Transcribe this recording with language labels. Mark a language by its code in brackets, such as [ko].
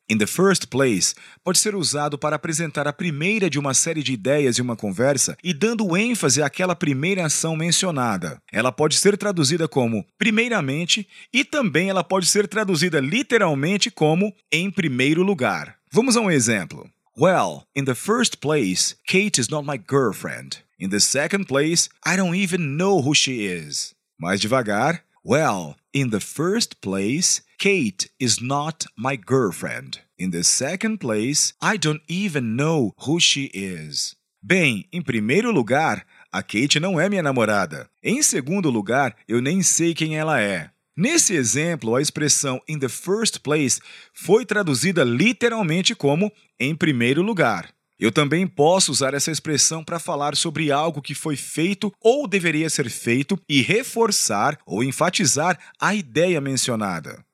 [en] In the first place [pt] pode ser usado para apresentar a primeira de uma série de ideias em uma conversa e dando ênfase àquela primeira ação mencionada. Ela pode ser traduzida como primeiramente e também ela pode ser traduzida literalmente como em primeiro lugar. Vamos a um exemplo. [en] Well, in the first place, Kate is not my girlfriend. In the second place, I don't even know who she is. [pt] Mais devagar. [en] Well, in the first place, Kate is not my girlfriend. In the second place, I don't even know who she is. [pt] Bem, em primeiro lugar, a Kate não é minha namorada. Em segundo lugar, eu nem sei quem ela é. Nesse exemplo, a expressão [en] in the first place [pt] foi traduzida literalmente como em primeiro lugar. Eu também posso usar essa expressão para falar sobre algo que foi feito ou deveria ser feito e reforçar ou enfatizar a ideia mencionada.